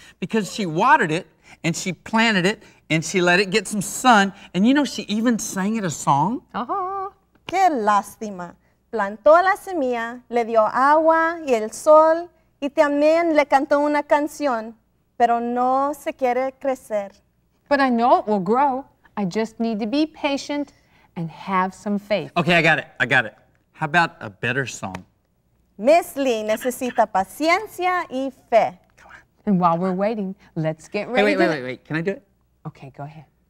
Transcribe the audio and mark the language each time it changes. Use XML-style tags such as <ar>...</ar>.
<en>Because she watered it and she planted it and she let it get some sun, and you know, she even sang it a song.</en> <es>Qué lástima. Plantó la semilla, le dio agua y el sol, y también le cantó una canción, pero no se quiere crecer.</es> <en>But I know it will grow. I just need to be patient and have some faith. Okay, I got it. How about a better song?</en> <es>Miss Lee necesita paciencia y fe.</es> <en>And while we're waiting, let's get ready. Wait. Can I do it? Okay, go ahead.</en>